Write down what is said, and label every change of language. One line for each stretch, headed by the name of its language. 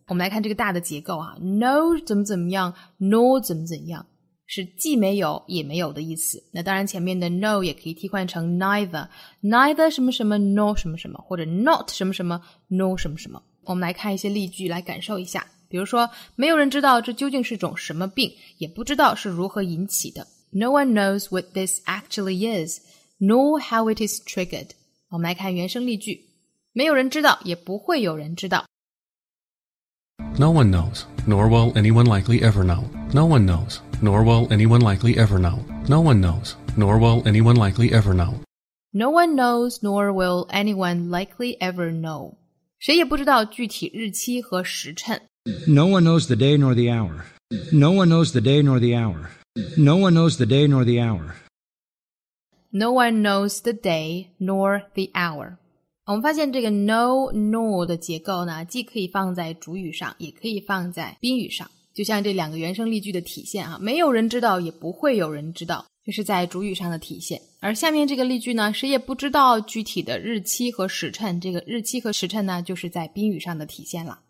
Chinese: 我们来看这个大的结构啊， No 怎么怎么样， Nor 怎么怎样，是既没有也没有的意思。那当然前面的 No 也可以替换成 Neither， Neither 什么什么 Nor 什么什么，或者 Not 什么什么 Nor 什么什么。我们来看一些例句来感受一下。比如说，没有人知道这究竟是种什么病，也不知道是如何引起的。
English: No one knows what this actually is, nor how it is triggered.
Chinese: 我们来看原声例句。没有人知道，也不会有人知道。
English: No one knows, nor will anyone likely ever know. No one knows, nor will anyone likely ever know. No one knows, nor will anyone likely ever know. No one knows, nor will anyone likely ever know.
Chinese: 谁也不知道具体日期和时辰。
English: No one knows the day nor the hour. No one knows the day nor the hour. No one knows the day nor the hour. No one knows the day nor the hour.
Chinese: 我们发现这个 no nor 的结构呢，既可以放在主语上，也可以放在宾语上。就像这两个原声例句的体现啊，没有人知道，也不会有人知道，这是在主语上的体现。而下面这个例句呢，谁也不知道具体的日期和时辰，这个日期和时辰呢，就是在宾语上的体现了。